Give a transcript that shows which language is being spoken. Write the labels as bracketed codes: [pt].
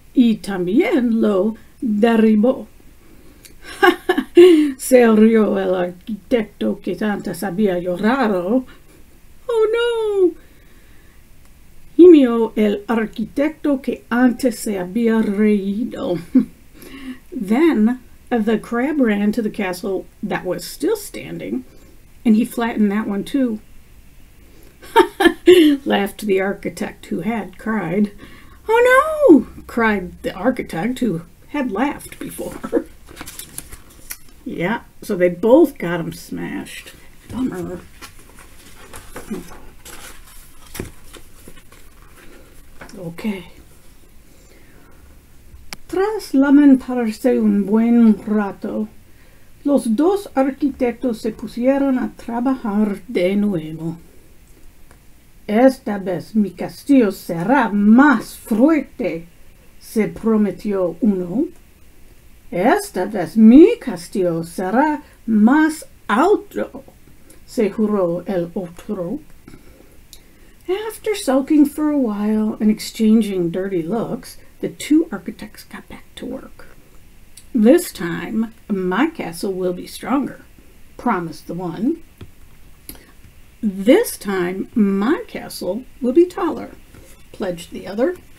[es] y también lo derribó. Se rió el arquitecto que antes había llorado. ¡Oh, no! Gimió el arquitecto que antes se había reído. [en] Then the crab ran to the castle that was still standing, and he flattened that one too. Laughed the architect who had cried. Oh no! Cried the architect who had laughed before. Yeah, so they both got them smashed. Bummer. Okay. [es] Tras lamentarse un buen rato, los dos arquitectos se pusieron a trabajar de nuevo. Esta vez mi castillo será más fuerte, se prometió uno. Esta vez mi castillo será más alto, se juró el otro. [en] After sulking for a while and exchanging dirty looks, the two architects got back to work. This time, my castle will be stronger, promised the one. This time, my castle will be taller, pledged the other.